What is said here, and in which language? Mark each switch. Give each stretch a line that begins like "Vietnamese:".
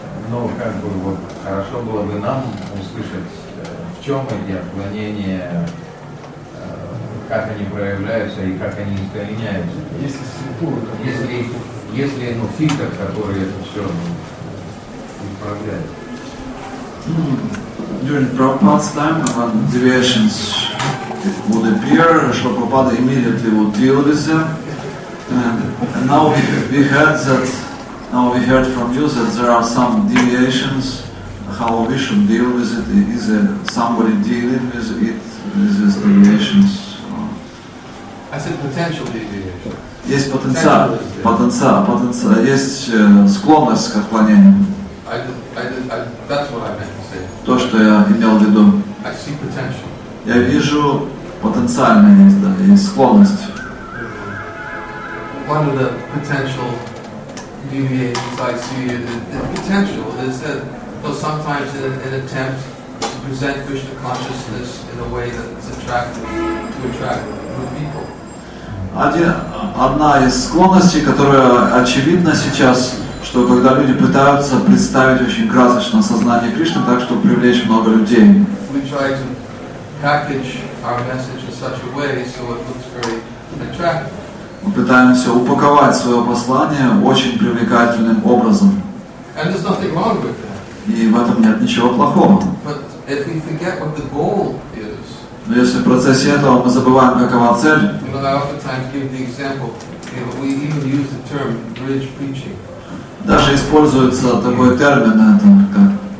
Russian: Но как бы вот хорошо было бы нам услышать, в чем эти отклонения, как они проявляются и как они искореняются. Если структура, то если ну, фильтр, который это все исправляет.
English: During Prabhupada's time, when deviations would appear, Prabhupada immediately would deal with them. And now we heard that, now we heard from you that there are some deviations, how we should deal with it. Is somebody dealing with it, with these deviations? I said potential deviations.
Russian: Есть потенциал, есть склонность к отклонению.
English: That's what I meant.
Russian: То, что я имел в виду.
English: I see potential.
Russian: Я вижу потенциальное есть, да, есть склонность.
English: One of the potential deviations I see the potential is that though sometimes in an attempt to present Krishna consciousness in a way that is attractive to attract good people.
Russian: Одна из склонностей, которая очевидна сейчас, что когда люди пытаются представить очень красочно сознание Кришны так, чтобы привлечь много людей.
English: We try to package our message in such a way so it looks very attractive.
Russian: Мы пытаемся упаковать свое послание очень привлекательным образом.
English: And there's nothing wrong with that.
Russian: И в этом нет ничего плохого.
English: But if we forget what the goal is,
Russian: но если в процессе этого мы забываем, какова цель,
English: you know, I oftentimes give the example, you know, we even use the term bridge preaching.
Russian: Даже используется такой термин, это как.